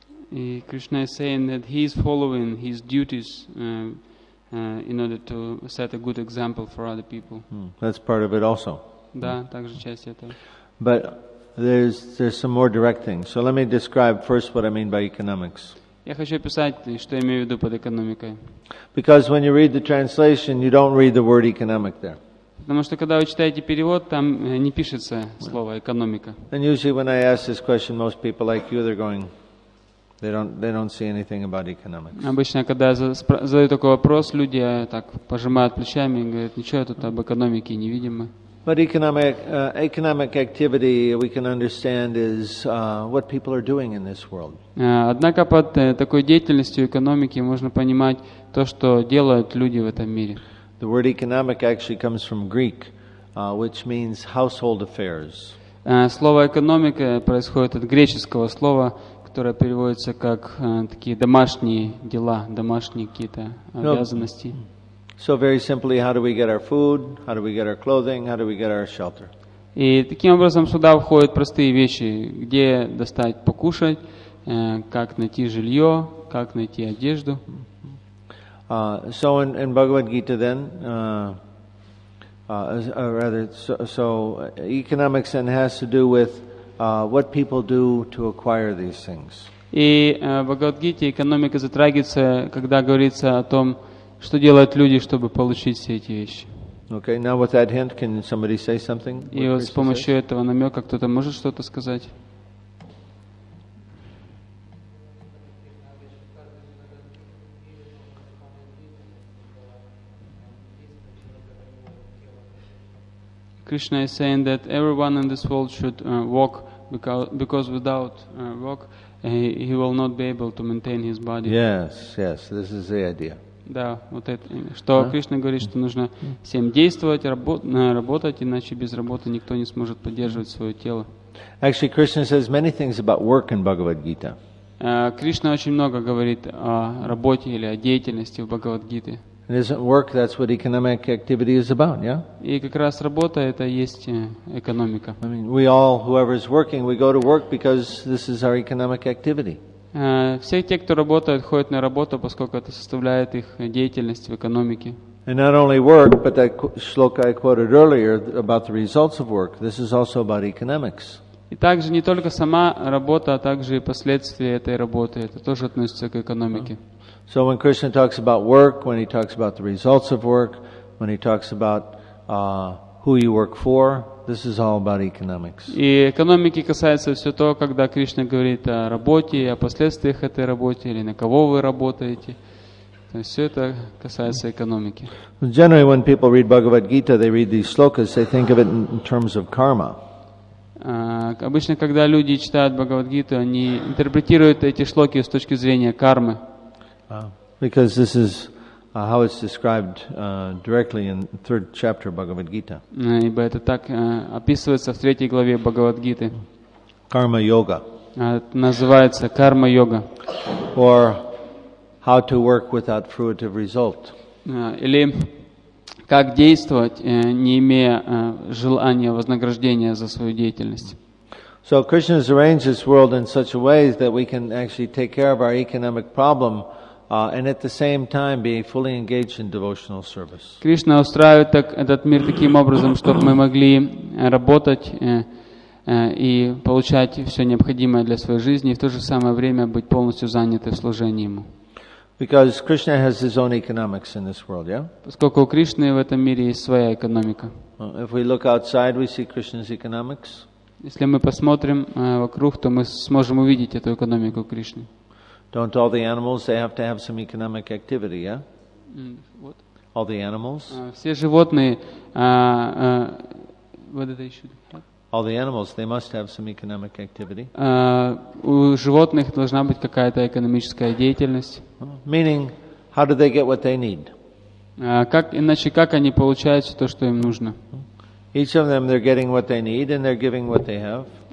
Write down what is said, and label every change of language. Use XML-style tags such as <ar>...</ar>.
<ru>И</ru> <en>Krishna is saying that he is following his duties in order to set a good example for other people. That's part of it also.</en> <ru>Да, также часть этого.</ru> <en>But there's some more direct things. So let me describe first what I mean by economics.</en> <ru>Я хочу описать, что я имею в виду под экономикой.</ru> <en>Because when you read the translation, you don't read the word economic there.</en> <ru>Потому что когда вы читаете перевод, там не пишется слово экономика.</ru> <en>And usually when I ask this question, most people like you, they're going, they don't see anything about economics.</en> <ru>Обычно, когда я задаю такой вопрос, люди так пожимают плечами и говорят, ничего, тут об экономике не видим мы.</ru> <en>But economic activity, we can understand, is what people are doing in this world.</en> <ru>Однако под такой деятельностью экономики можно понимать то, что делают люди в этом мире.</ru> <en>The word economic actually comes from Greek, which means household affairs.</en> <ru>Слово экономика происходит от греческого слова, которое переводится как такие домашние дела, домашние какие-то обязанности.</ru> <en>So very simply, how do we get our food? How do we get our clothing? How do we get our shelter?</en> <ru>И таким образом сюда входят простые вещи: где достать покушать, как найти жилье, как найти одежду.</ru> <en>So in Bhagavad Gita then, so economic sense has to do with what people do to acquire these things.</en> <ru>И в Бхагавад-гите экономика затрагивается, когда говорится о том, что делают люди, чтобы получить все эти вещи.</ru> <en>Okay, now with that hint, can somebody say something?</en> <ru>И вот с помощью этого намека кто-то может что-то сказать?</ru> <en>Krishna is saying that everyone in this world should walk because without walk he will not be able to maintain his body. Yes, this is the idea.</en> <ru>Да, вот это, что Кришна говорит, что нужно всем действовать, работать, иначе без работы никто не сможет поддерживать свое тело.</ru> <en>Actually, Krishna says many things about work in Bhagavad Gita.</en> <ru>Кришна очень много говорит о работе или о деятельности в Бхагавад-гите.</ru> <en>And isn't work, that's what economic activity is about, yeah?</en> <ru>И как раз работа — это есть экономика.</ru> <en>I mean, we all, whoever is working, we go to work because this is our economic activity.</en> <ru>Все те, кто работает, ходят на работу, поскольку это составляет их деятельность в экономике.</ru> <en>And not only work, but that shloka I quoted earlier about the results of work, this is also about economics.</en> <ru>И также не только сама работа, а также и последствия этой работы, это тоже относится к экономике.</ru> <en>So when Krishna talks about work, when he talks about the results of work, when he talks about who you work for, this is all about economics.</en> <ru>И экономики касается все то, когда Кришна говорит о работе, о последствиях этой работы или на кого вы работаете. То есть все это касается экономики.</ru> <en>Generally, when people read Bhagavad Gita, they read these slokas, they think of it in terms of karma.</en> <ru>Обычно, когда люди читают Бхагавад Гиту, они интерпретируют эти шлоки с точки зрения кармы.</ru> <en>Because this is how it's described directly in the third chapter of Bhagavad Gita.</en> <ru>Ибо это так описывается в третьей главе Бхагавад Гиты.</ru> <en>Karma Yoga.</en> <ru>Называется карма йога.</ru> <en>Or how to work without fruitive result.</en> <ru>Или как действовать, не имея желания вознаграждения за свою деятельность.</ru> <en>So Krishna has arranged this world in such a way that we can actually take care of our economic problem and at the same time be fully engaged in devotional service.</en> <ru>Кришна устраивает так этот мир таким образом, чтобы мы могли работать и получать все необходимое для своей жизни, и в то же самое время быть полностью заняты в служении ему.</ru> <en>Because Krishna has his own economics in this world, yeah?</en> <ru>Поскольку у Кришны в этом мире есть своя экономика.</ru> <en>If we look outside, we see Krishna's economics.</en> <ru>Если мы посмотрим вокруг, то мы сможем увидеть эту экономику Кришны.</ru> <en>Don't all the animals, they have to have some economic activity, yeah? What? All the animals?</en> <ru>Все животные,</ru> <en>what do they should have? All the animals, they must have some economic activity.</en> <ru>У животных должна быть какая-то экономическая деятельность.</ru> <en>Meaning, how do they get what they need?</en> <ru>Как они получают то, что им нужно?</ru> <en>Each of them, they're getting what they need and they're giving what they have.</en>